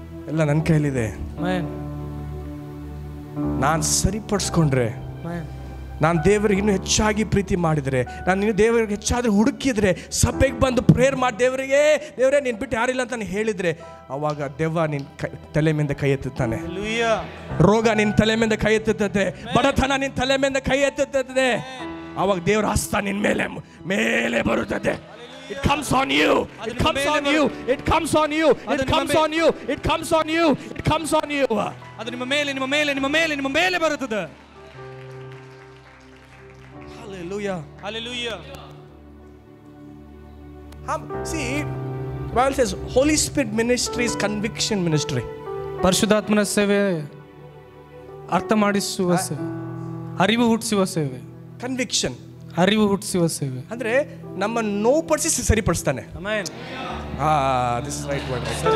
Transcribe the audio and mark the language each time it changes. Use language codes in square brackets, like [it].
[kn] ಎಲ್ಲ ನನ್ ಕೈಲಿದೆ, ನಾನ್ ಸರಿಪಡಿಸ್ಕೊಂಡ್ರೆ, ನಾನ್ ದೇವರಿಗೆ ಇನ್ನು ಹೆಚ್ಚಾಗಿ ಪ್ರೀತಿ ಮಾಡಿದ್ರೆ, ನಾನು ಇನ್ನು ದೇವರಿಗೆ ಹೆಚ್ಚಾದ್ರೆ ಹುಡುಕಿದ್ರೆ, ಸಭೆಗೆ ಬಂದು ಪ್ರೇಯರ್ ಮಾಡಿ ದೇವರಿಗೆ, ದೇವರೇ ನಿನ್ ಬಿಟ್ಟು ಯಾರಿಲ್ಲ ಅಂತ ಹೇಳಿದ್ರೆ, ಅವಾಗ ದೆವ್ವ ನಿನ್ ತಲೆ ಮೇಲೆ ಕೈ ಎತ್ತಾನೆ, ರೋಗ ನಿನ್ ತಲೆ ಮೇಲೆ ಕೈ ಎತ್ತಿದ್ದೆ, ಬಡತನ ನಿನ್ ತಲೆ ಮೇಲೆ ಕೈ ಎತ್ತಿದ್ದೆ, ಅವಾಗ ದೇವರ ಹಸ್ತ ನಿನ್ ಮೇಲೆ ಬರುತ್ತದೆ. [en] It comes on you, it comes on you, it comes on you, it comes on you, it comes on you, it comes on you. [kn] ಅದು ನಿಮ್ಮ ಮೇಲೆ, ನಿಮ್ಮ ಮೇಲೆ, ನಿಮ್ಮ ಮೇಲೆ, ನಿಮ್ಮ ಮೇಲೆ ಬರುತ್ತದೆ. [en] Hallelujah, hallelujah. See, Bible says Holy Spirit ministry is conviction ministry. [kn] ಪರಿಶುದ್ಧಾತ್ಮನ ಸೇವೆ ಅರ್ಥ ಮಾಡಿಸುವ ಸೇವೆ, ಅರಿವು ಹುಟ್ಟಿಸುವ ಸೇವೆ. [en] Conviction, [kn] ಅರಿವು ಹುಟ್ಟಿಸುವ ಸೇವೆ ಅಂದ್ರೆ ನಮ್ಮ ನೋವು ಪಡಿಸಿ ಸರಿಪಡಿಸ್ತಾನೆ. ಆಮೆನ್. [en] Ah this is right word.